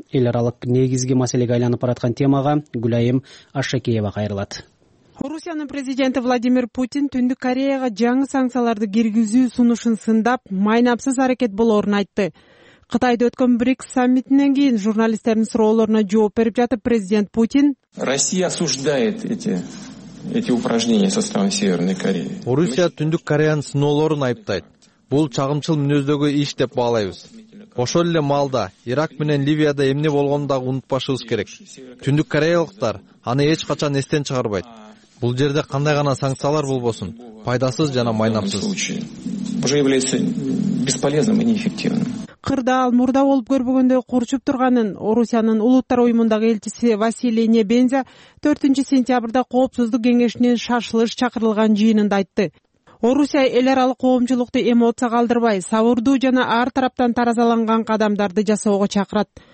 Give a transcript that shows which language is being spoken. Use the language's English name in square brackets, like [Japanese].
[Kyrgyz] Эл аралык негизги маселеге айланып бараткан темага Гүлайым Ашакеева кайрылат. Орусиянын президенти Владимир Путин Түндүк Кореяга жаңы санкцияларды киргизүү сунушун сындап, майнапсыз аракет болорун айтты. Кытайда өткөн БРИКС саммитинен кийин журналисттердин суроолоруна жооп берип жатып, президент Путин: [Russian] Россия осуждает эти упражнения со стороны Северной Кореи. [Kyrgyz] Орусия Түндүк Кореянын сыноолорун айыптайт. Бул чагымчыл мүнөздөгү иш деп баалайбыз. Ошол эле Малда, Ирак менен Ливияда эмне болгонун дагы унутпашыбыз керек. Түндүк кореялыктар аны эч качан эстен чыгарбайт. Бул жерде кандай гана санкциялар болбосун, пайдасыз жана майнапсыз. [Russian] Уже является бесполезным и неэффективным. [Kyrgyz] Кырдаал мурда болуп көрбөгөндөй курчуп турганын Орусиянын улуттар уюмундагы элчиси Василий Небензя 4-сентябрда коопсуздук кеңешинин шашылыш чакырылган жыйынында айтты. Орусия эл аралык коомчулукту эмоция калдырбай, сабырдуу жана ар тараптан таразаланган кадамдарды жасоого чакырат.